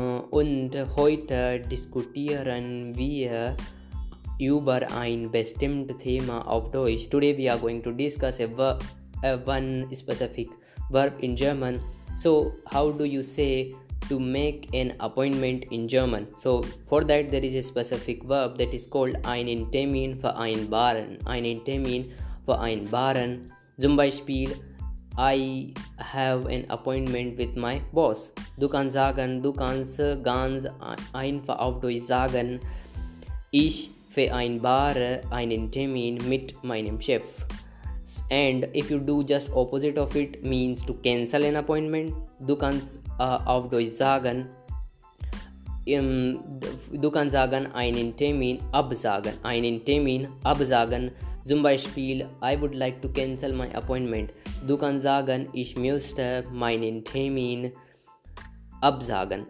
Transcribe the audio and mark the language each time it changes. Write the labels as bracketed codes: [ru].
[de] Und heute diskutieren wir über ein bestimmtes Thema auf Deutsch. [en] Today we are going to discuss one specific verb in German. So, how do you say to make an appointment in German? So, for that there is a specific verb that is called [de] einen Termin vereinbaren. Einen Termin vereinbaren. Zum Beispiel, [en] I have an appointment with my boss. [de] Du kannst sagen, du kannst ganz einfach auf Deutsch sagen, ich vereinbare einen Termin mit meinem Chef. [en] And if you do just opposite of it, means to cancel an appointment, [de] du kannst auf Deutsch sagen, du kannst sagen, einen Termin absagen, einen Termin absagen. Zum Beispiel, [en] I would like to cancel my appointment. [de] Du kannst sagen, ich möchte meinen Termin absagen.